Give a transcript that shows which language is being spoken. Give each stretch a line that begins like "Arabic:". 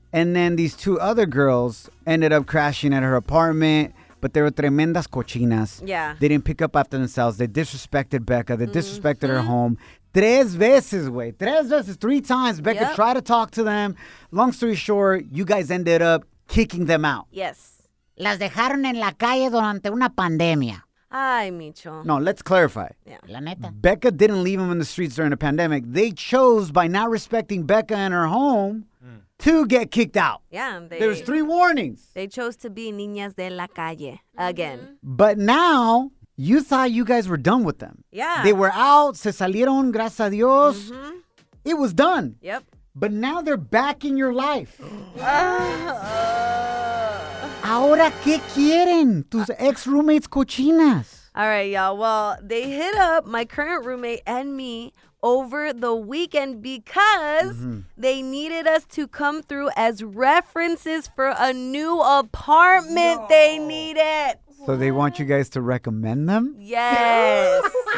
English: And then these two other girls ended up crashing at her apartment. But they were tremendas cochinas. Yeah. They didn't pick up after themselves. They disrespected Becca. They disrespected her home. Three times Becca tried to talk to them. Long story short, you guys ended up kicking them out. Yes.
Spanish: Las dejaron en la calle durante una pandemia. Ay, Micho.
English: No, let's clarify. Yeah.
Spanish: La neta.
English: Becca didn't leave them in the streets during a pandemic. They chose by not respecting Becca and her home. To get kicked out. Yeah. There's three warnings. They chose to be niñas de la calle again. But now, you thought you guys were done with them. Yeah. They were out. Se salieron, gracias a Dios. Mm-hmm. It was done. Yep. But now they're back in your life.
Spanish: Ahora, ¿qué quieren tus ex-roommates cochinas?
English: All right, y'all. Well, they hit up my current roommate and me over the weekend because they needed us to come through as references for a new apartment they needed. So they want you guys to recommend them? Yes.